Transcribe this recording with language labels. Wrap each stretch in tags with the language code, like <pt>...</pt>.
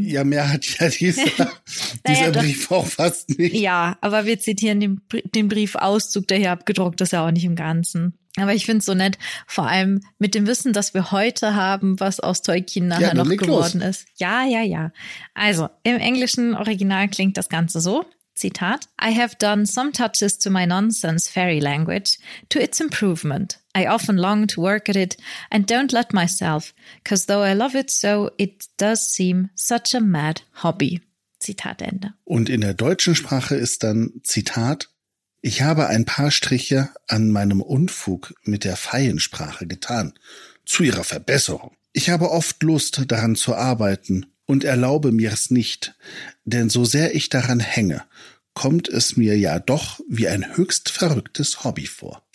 <de>Ja, mehr hat ja dieser naja, Brief auch fast nicht. Ja, aber wir zitieren den Briefauszug, der hier abgedruckt ist, ja auch nicht im Ganzen. Aber ich finde es so nett, vor allem mit dem Wissen, das wir heute haben, was aus Tolkien nachher noch geworden ist. Ja, ja, ja. Also, im englischen Original klingt das Ganze so... Zitat,</de> <en>I have done some touches to my nonsense fairy language, to its improvement. I often long to work at it and don't let myself, because though I love it so, it does seem such a mad hobby.</en> <de>Zitat Ende. Und in der deutschen Sprache ist dann Zitat, ich habe ein paar Striche an meinem Unfug mit der Feiensprache getan, zu ihrer Verbesserung. Ich habe oft Lust, daran zu arbeiten, und erlaube mir es nicht, denn so sehr ich daran hänge, kommt es mir ja doch wie ein höchst verrücktes Hobby vor.</de>